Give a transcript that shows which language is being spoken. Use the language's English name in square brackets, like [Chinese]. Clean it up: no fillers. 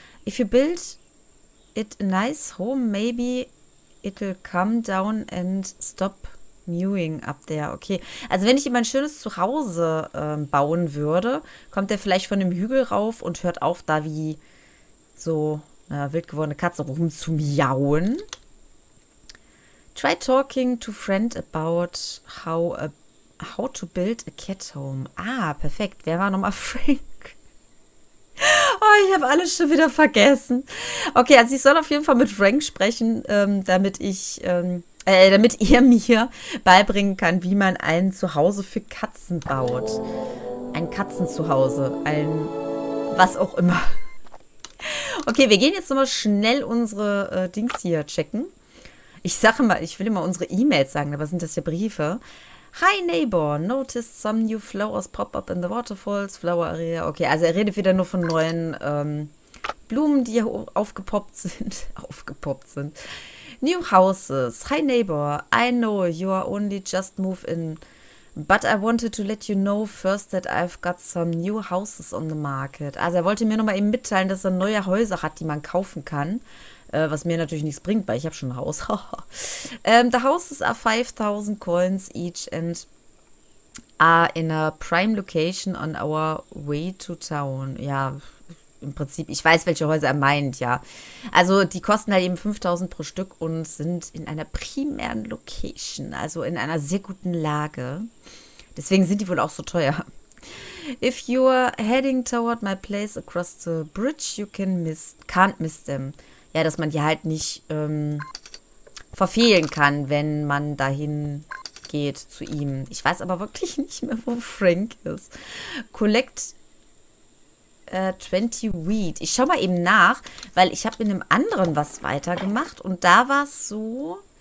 [English] If you build it a nice home, maybe it'll come down and stop mewing up there. [German] Okay, also wenn ich ihm ein schönes Zuhause bauen würde, kommt er vielleicht von dem Hügel rauf und hört auf, da wie so... wild gewordene Katze rum zu miauen. [English] Try talking to friend about how to build a cat home. [German] Ah, perfekt. Wer war nochmal Frank? Oh, ich habe alles schon wieder vergessen. Okay, also ich soll auf jeden Fall mit Frank sprechen, damit ich, damit er mir beibringen kann, wie man ein Zuhause für Katzen baut. Ein Katzenzuhause. Ein was auch immer. Okay, wir gehen jetzt nochmal schnell unsere Dings hier checken. Ich sage mal, ich will immer unsere E-Mails sagen, aber sind das ja Briefe? [English] Hi, neighbor. Noticed some new flowers pop up in the waterfalls. Flower area. [German] Okay, also er redet wieder nur von neuen Blumen, die hier aufgepoppt sind. [English] New houses. Hi, neighbor. I know you are only just move in. But I wanted to let you know first that I've got some new houses on the market. [German] Also er wollte mir nochmal eben mitteilen, dass er neue Häuser hat, die man kaufen kann. Was mir natürlich nichts bringt, weil ich habe schon ein Haus. [English] the houses are 5000 coins each and are in a prime location on our way to town. [German] Ja, im Prinzip, ich weiß, welche Häuser er meint, ja. Also die kosten halt eben 5000 pro Stück und sind in einer primären Location, also in einer sehr guten Lage. Deswegen sind die wohl auch so teuer. [English] If you're heading toward my place across the bridge, you can't miss them. [German] Ja, dass man die halt nicht verfehlen kann, wenn man dahin geht zu ihm. Ich weiß aber wirklich nicht mehr, wo Frank ist. [English] Collect 20 Weed. [German] Ich schau mal eben nach, weil ich habe in einem anderen was weitergemacht und da war es so...